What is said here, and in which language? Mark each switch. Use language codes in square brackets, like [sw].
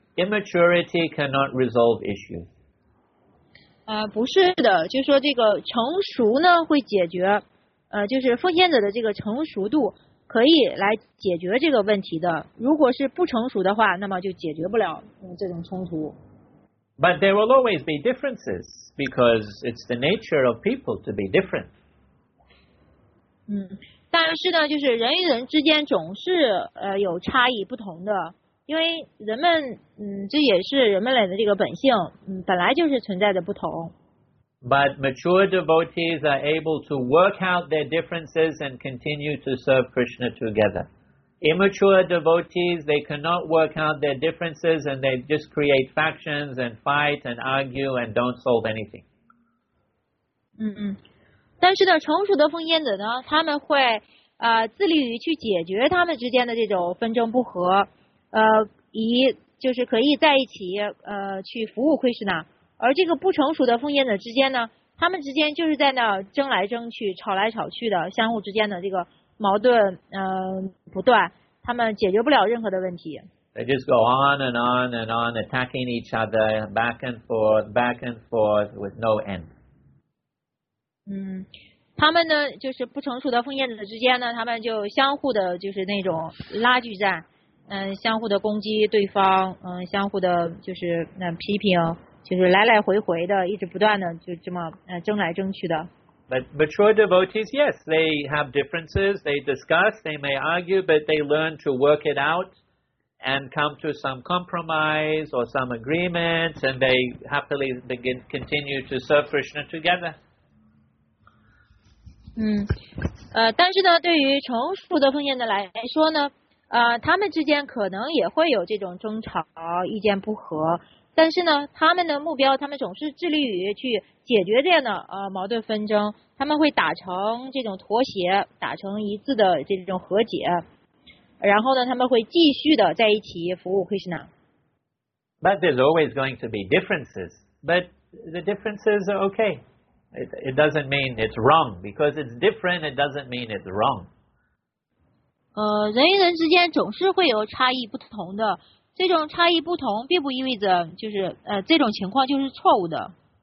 [en] Immaturity cannot resolve issues. [zh] 不是的，就说这个成熟呢会解决，就是奉献者的这个成熟度可以来解决这个问题的。如果是不成熟的话，那么就解决不了这种冲突。 [en] But there will always be differences because it's the nature of people to be different. [zh] 但是呢，就是人与人之间总是有差异不同的，因为人们这也是人们类的这个本性，本来就是存在的不同。 [en] But mature devotees are able to work out their differences and continue to serve Krishna together. Immature devotees, they cannot work out their differences and they just create factions and fight and argue and don't solve anything. [zh] 但是呢，成熟的奉献者呢，他们会致力于去解决他们之间的这种纷争不和，以就是可以在一起去服务 Krishna。而这个不成熟的奉献者之间呢，他们之间就是在那争来争去、吵来吵去的，相互之间的这个矛盾不断，他们解决不了任何的问题。 [en] They just go on and on and on, attacking each other back and forth, back and forth with no end. [zh] 他们呢，就是不成熟的奉献者之间呢，他们就相互的，就是那种拉锯战，相互的攻击对方，相互的，就是那批评。就是来来回回的，一直不断的就这么争来争去的。 [en] But mature devotees, yes, they have differences, they discuss, they may argue, but they learn to work it out and come to some compromise or some agreement, and they happily begin continue to serve Krishna together. [zh] 但是呢，对于成熟的奉献者来说呢，他们之间可能也会有这种争吵、意见不合。但是呢，他们的目标，他们总是致力于去解决这样的矛盾纷争，他们会打成这种妥协，打成一致的这种和解，然后呢，他们会继续的在一起服务 Krishna。 [en] But there's always going to be differences, but the differences are okay. It doesn't mean it's wrong because it's different. It doesn't mean it's wrong. [zh] 人与人之间总是会有差异不同的。这种差异不同并不意味着就是这种情况就是错误的。